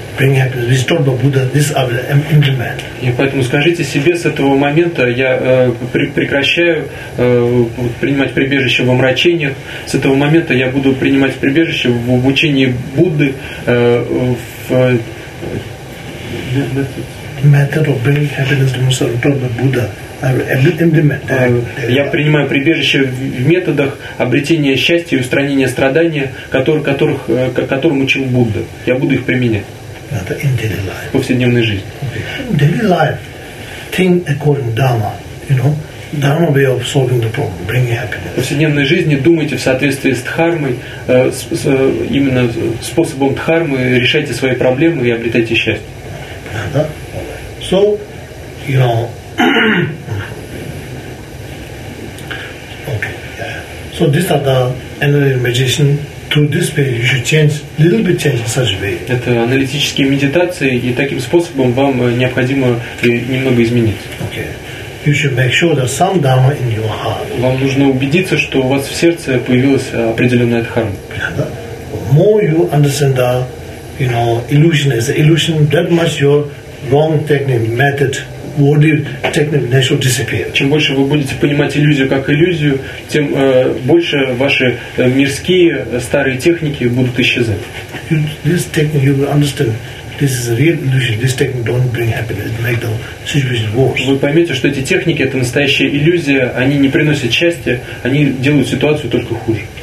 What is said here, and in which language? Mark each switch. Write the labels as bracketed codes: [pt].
[ru] И поэтому скажите себе, с этого момента я прекращаю принимать прибежище в омрачениях, с этого момента я буду принимать прибежище в обучении Будды, в метод [en] of bringing happiness to myself, the Buddha. [ru] Я принимаю прибежище в методах обретения счастья и устранения страдания, которым учил Будда. Я буду их применять. [en] In daily life. [ru] В повседневной жизни. [en] Okay. Daily life. Think according to Dharma. You know? Dharma way of solving the problem. Bring happiness. [ru] В повседневной жизни думайте в соответствии с дхармой, именно способом дхармы, решайте свои проблемы и обретайте счастье. [en] So, you know. Okay. Yeah. So these are the energy magician. Through this way, you should change little bit, change in such a way. [ru] Это аналитические медитации, и таким способом вам необходимо немного изменить. [en] Okay. You should make sure that some dharma in your heart. [ru] Вам нужно убедиться, что у вас в сердце появилась определенная дхарма. [en] More you understand the, you know, illusion as an illusion, that much your wrong technique method. [ru] Чем больше вы будете понимать иллюзию как иллюзию, тем больше ваши мирские старые техники будут исчезать. Вы поймете, что эти техники — это настоящая иллюзия, они не приносят счастья, они делают ситуацию только хуже.